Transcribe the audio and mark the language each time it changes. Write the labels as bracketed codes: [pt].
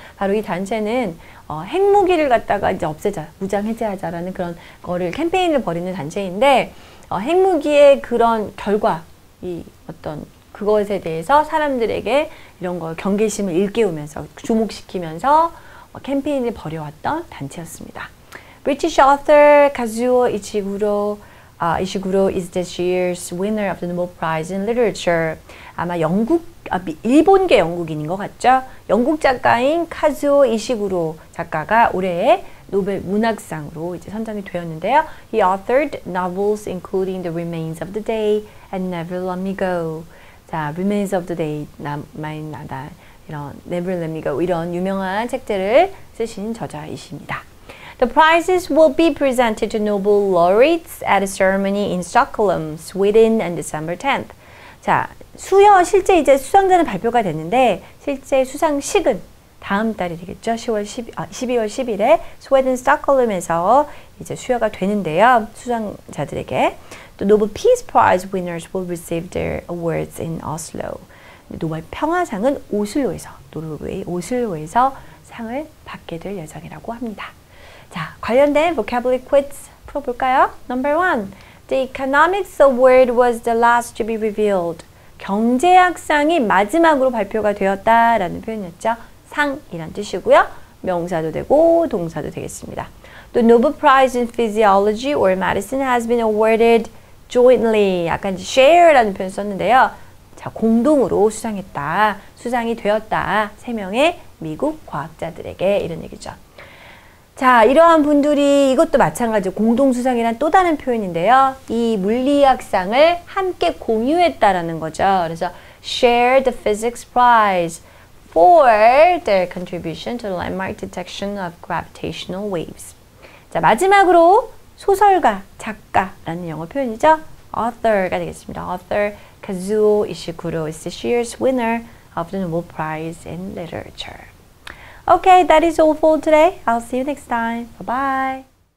[ko] 바로 이 단체는 핵무기를 갖다가 이제 없애자, 무장해제하자라는 그런 거를 캠페인을 벌이는 단체인데 핵무기의 그런 결과, 이 어떤 그것에 대해서 사람들에게 이런 걸 경계심을 일깨우면서 주목시키면서 캠페인을 벌여왔던 단체였습니다. [en] British author Kazuo Ishiguro. Ishiguro is this year's winner of the Nobel Prize in Literature. [ko] 아마 영국, 일본계 영국인인 것 같죠? 영국 작가인 카즈오 이시구로 작가가 올해의 노벨 문학상으로 이제 선정이 되었는데요. [en] He authored novels including The Remains of the Day and Never Let Me Go. [ko] 자, Remains of the Day, 나다 이런 Never Let Me Go 이런 유명한 책들을 쓰신 저자이십니다. [en] The prizes will be presented to Nobel laureates at a ceremony in Stockholm, Sweden on December 10th. [ko] 자, 실제 이제 수상자는 발표가 됐는데 실제 수상식은 다음 달이 되겠죠. 12월 10일에 스웨덴 스톡홀름에서 이제 수여가 되는데요. 수상자들에게 또 [en] Nobel Peace Prize winners will receive their awards in Oslo. [ko] 노벨 평화상은 오슬로에서 노르웨이 오슬로에서 상을 받게 될 예정이라고 합니다. 자, 관련된 [en] vocabulary quiz [ko] 풀어볼까요? [en] Number one, the economics award was the last to be revealed. [ko] 경제학상이 마지막으로 발표가 되었다라는 표현이었죠. 상이란 뜻이고요. 명사도 되고 동사도 되겠습니다. [en] The Nobel Prize in Physiology or Medicine has been awarded jointly. [ko] 약간 share라는 표현 썼는데요. 자, 공동으로 수상했다. 수상이 되었다. 세 명의 미국 과학자들에게 이런 얘기죠. 자, 이러한 분들이 이것도 마찬가지로 공동수상이란 또 다른 표현인데요. 이 물리학상을 함께 공유했다라는 거죠. 그래서 [en] share the physics prize for their contribution to the landmark detection of gravitational waves. [ko] 자, 마지막으로 소설가, 작가라는 영어 표현이죠. author가 되겠습니다. [en] author Kazuo Ishiguro is this year's winner of the Nobel Prize in Literature. Okay, that is all for today. I'll see you next time. Bye-bye.